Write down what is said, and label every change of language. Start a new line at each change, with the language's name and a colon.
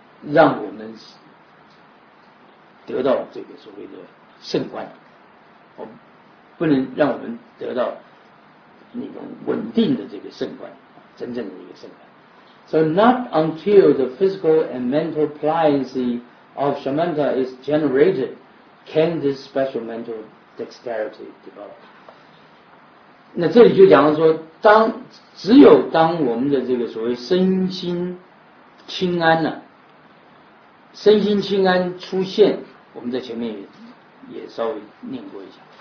Chinese: 让我们得到这个所谓的圣观，不能让我们得到那种稳定的这个圣观，真正的一个圣观。
English: So not until the physical and mental pliancy of shamatha is generated, can this special mental dexterity develop.
Chinese: 那这里就讲到说，当只有当我们的这个所谓身心清安呢、啊，身心清安出现，我们在前面 也稍微念过一下。